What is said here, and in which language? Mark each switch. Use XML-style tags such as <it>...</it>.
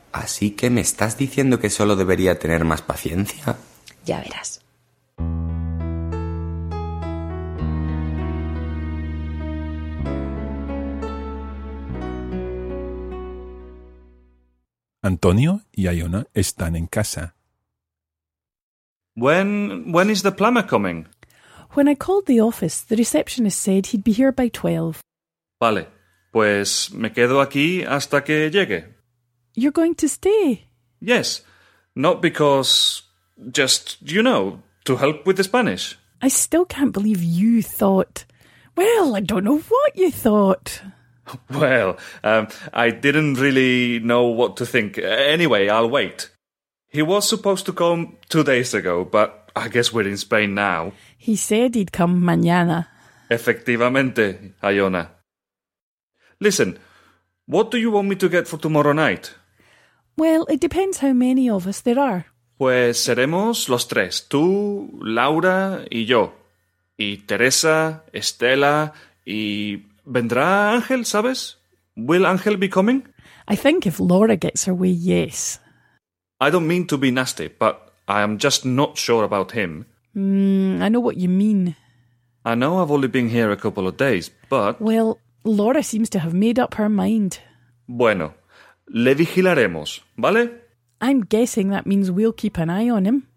<es>¿Así que me estás diciendo que solo debería tener más paciencia? Ya verás. Antonio y Iona están en casa.</es> <en>When is the plumber coming? When I called the office, the receptionist said he'd be here by 12.</en> <es>Vale, pues me quedo aquí hasta que llegue.</es> <en>You're going to stay? Yes, not because... Just, you know, to help with the Spanish. I still can't believe you thought... Well, I don't know what you thought. Well, I didn't really know what to think. Anyway, I'll wait. He was supposed to come 2 days ago, but I guess we're in Spain now. He said he'd come mañana.</en> <es>Efectivamente, Iona.</es> <en>Listen, what do you want me to get for tomorrow night? Well, it depends how many of us there are.</en> <es>Pues seremos los tres, tú, Laura y yo. Y Teresa, Estela y... ¿Vendrá Ángel, sabes?</es> <en>Will Ángel be coming? I think if Laura gets her way, yes. I don't mean to be nasty, but I am just not sure about him. I know what you mean. I know I've only been here a couple of days, but... Well, Laura seems to have made up her mind.</en> <es>Bueno, le vigilaremos, ¿vale?</es> <en>I'm guessing that means we'll keep an eye on him.</en>